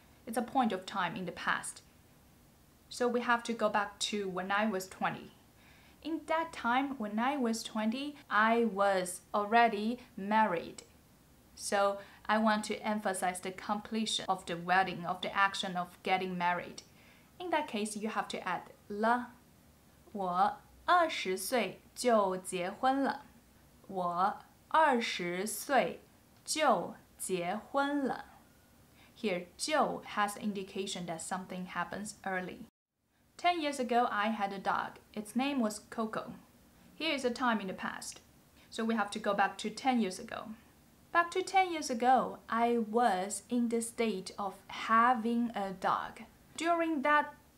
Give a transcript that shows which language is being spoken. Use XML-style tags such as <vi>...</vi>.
<en>It's a point of time in the past. So we have to go back to when I was 20. In that time, when I was 20, I was already married. So I want to emphasize the completion of the wedding, of the action of getting married. In that case, you have to add</en> <zh>了。我二十岁就结婚了。我二十岁就结婚了。</zh> <en>Here, 就 has the indication that something happens early. 10 years ago, I had a dog. Its name was Coco. Here is a time in the past. So we have to go back to 10 years ago. Back to 10 years ago, I was in the state of having a dog. During that</en>